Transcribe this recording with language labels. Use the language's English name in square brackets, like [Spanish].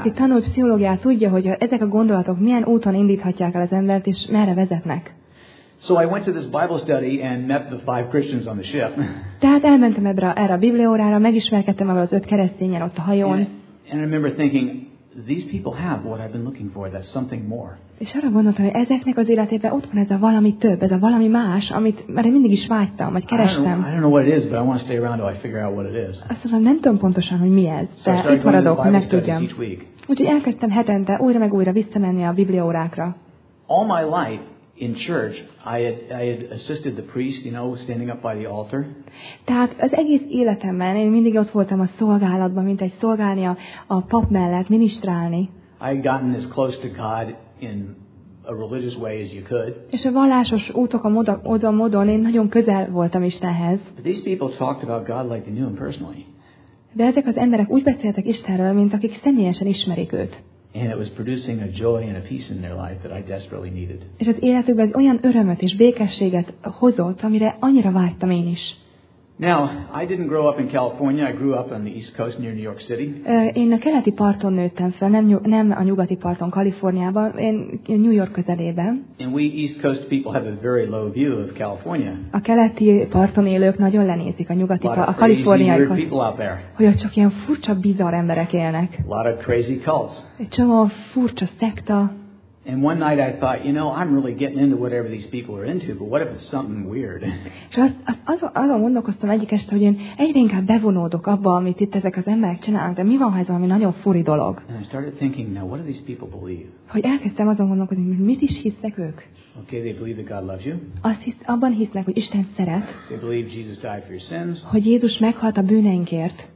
[Hungarian] Aki tanul pszichológiát, tudja, hogy ezek a gondolatok milyen úton indíthatják el az embert és merre vezetnek. [English] So I went to this Bible study and met the 5 Christians on the ship. [Hungarian] Tehát elmentem erre a bibliaórára, megismerkedtem vele az 5 keresztényen ott a hajón. [English] And I remember thinking, these people have what I've been looking for, that's something more. [Hungarian] És arra gondoltam, hogy ezeknek az életében ott van ez a valami több, ez a valami más, amit már mindig is vágytam, vagy kerestem. [English] I don't know what it is, but I want to stay around till I figure out what it is. [Hungarian] Azt mondom, nem tudom pontosan, hogy mi ez, de [English] so [Hungarian] itt maradok, hogy megtudjam. [English] Each week. [Hungarian] Úgyhogy elkezdtem hetente újra meg újra visszamenni a bibliaórákra. [English] All my life in church, I had assisted the priest, you know, standing up by the altar. [Hungarian] Tehát az egész életemben én mindig ott voltam a szolgálatban, mint egy szolgálni a pap mellett, minisztrálni. [English] I had gotten as close to God in a religious way as you could. [Hungarian] És a vallásos útok módon én nagyon közel voltam Istenhez. [English] But these people talked about God like they knew him personally. [Hungarian] De ezek az emberek úgy beszéltek Istenről, mint akik személyesen ismerik őt. [English] And it was producing a joy and a peace in their life that I desperately needed. [Hungarian] És az életükben ez olyan örömet és békességet hozott, amire annyira vágytam én is. [English] Now, I didn't grow up in California. I grew up on the East Coast near New York City. [Hungarian] Én a keleti parton nőttem fel, nem a nyugati parton, Kaliforniában, én New York közelében. [English] And we East Coast people have a very low view of California. [Hungarian] A keleti parton élők nagyon lenézik a nyugati a Kaliforniákat. Hogy ott csak ilyen furcsa, bizarr emberek élnek. [English] A lot of crazy cults. [Hungarian] Egy csomó furcsa szekta. [English] And one night I thought, you know, I'm really getting into whatever these people are into, but what if it's something weird? [Hungarian] És azon gondolkoztam egyik este, hogy én egyre inkább bevonódok abba, amit itt ezek az emberek csinálnak, de mi van, ha ez valami nagyon furi dolog? [English] And I started thinking, now, what do these people believe? [Hungarian] Hogy elkezdtem azon gondolkozni, hogy mit is hisznek ők? [English] Okay, they believe that God loves you. [Hungarian] Abban hisznek, hogy Isten szeret. [English] They believe Jesus died for your sins. [Hungarian] Hogy Jézus meghalt a bűneinkért.